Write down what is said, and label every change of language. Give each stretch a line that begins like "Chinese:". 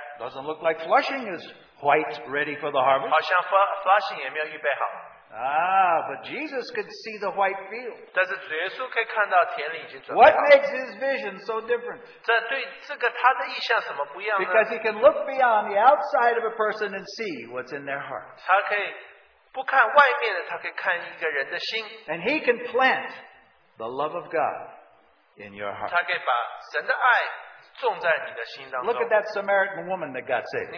English: Doesn't look like Flushing is white, ready for the harvest.
Chinese: 好像Flushing也没有预备好。
English: But Jesus could see the white field.
Chinese: 但是耶稣可以看到田里已经准备好了。
English: What makes his vision so different?
Chinese: 这对这个他的意象什么不一样呢?
English: Because he can look beyond the outside of a person and see what's in their heart.
Chinese: 他可以不看外面的, 他可以看一个人的心。
English: And he can plant the love of God in your heart.
Chinese: 他可以把神的爱
English: Look at that Samaritan woman that got saved.